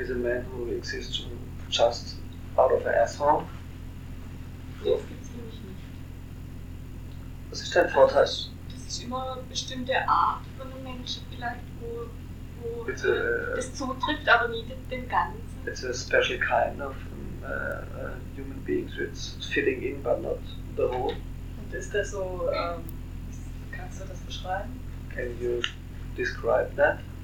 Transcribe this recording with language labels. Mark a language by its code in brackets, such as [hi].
[en] Is a man who exists just out of an asshole? [de] Nee, das gibt es nämlich nicht. Was ist dein Vorteil? Das ist immer eine bestimmte Art von einem Menschen vielleicht, wo das zutrifft, aber nie den Ganzen. [en] It's a special kind of human beings, so it's fitting in, but not the whole. [de] Und ist das so, kannst du das beschreiben? [en] Can you describe that?